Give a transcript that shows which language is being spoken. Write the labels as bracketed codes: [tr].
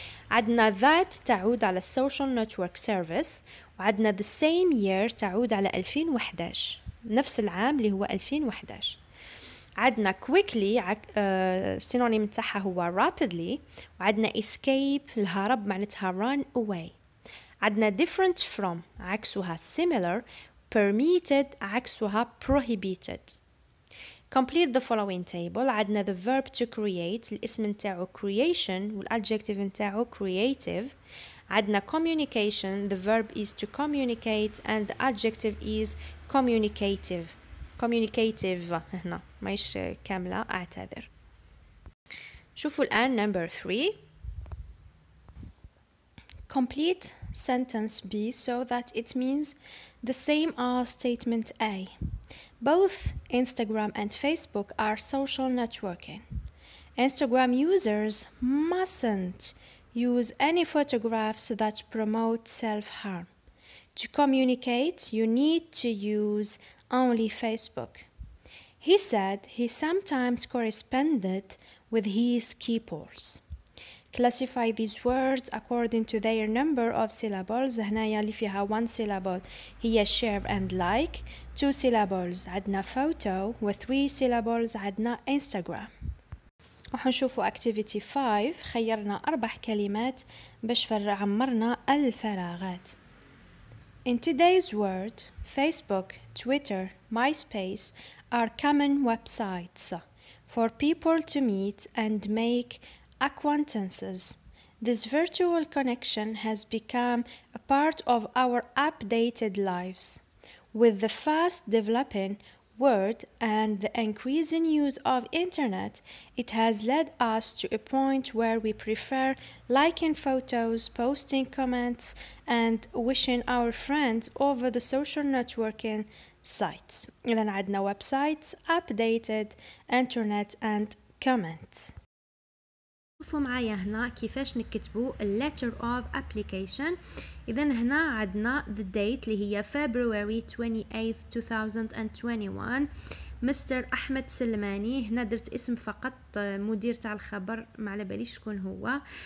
[ar] عدنا ذات تعود على [en] السوشيال network service, [ar] وعدنا [en] the same year [ar] تعود على 2011، نفس العام اللي هو 2011. عدنا quickly سينونيم تاعها هو rapidly، وعدنا escape الهرب معناتها [en] run away. عدنا different from عكسها similar، permitted عكسها prohibited. Complete the following table. عدنا the verb to create [ar] الاسم نتاعو [en] creation والadjective نتاعو creative. عدنا communication the verb is to communicate and the adjective is communicative. [ar] Communicative هنا مايش كاملة أعتذر. شوفوا الآن [en] number 3. Complete sentence B so that it means the same as statement A. Both Instagram and Facebook are social networking. Instagram users mustn't use any photographs that promote self-harm. To communicate, you need to use only Facebook. He said he sometimes corresponded with his keepers. Classify these words according to their number of syllables. [ar] هنايا اللي فيها [en] one syllable هي share and like. Two syllables عدنا photo. وthree syllables عدنا Instagram. [ar] وحنشوفوا activity 5. خيرنا أربع كلمات باش عمرنا الفراغات. [en] In today's world, Facebook, Twitter, MySpace are common websites for people to meet and make acquaintances. This virtual connection has become a part of our updated lives. With the fast developing world and the increasing use of internet, it has led us to a point where we prefer liking photos, posting comments, and wishing our friends over the social networking sites. [ar] إذن عدنا [en] websites, updated, internet, and comments. [ar] شوفوا معايا هنا كيفاش نكتبوا letter of application. إذن هنا عدنا the date اللي هي [en] February 28th 2021. [ar] مستر أحمد سلماني، هنا درت اسم فقط مدير تاع الخبر، ما على باليش شكون هو.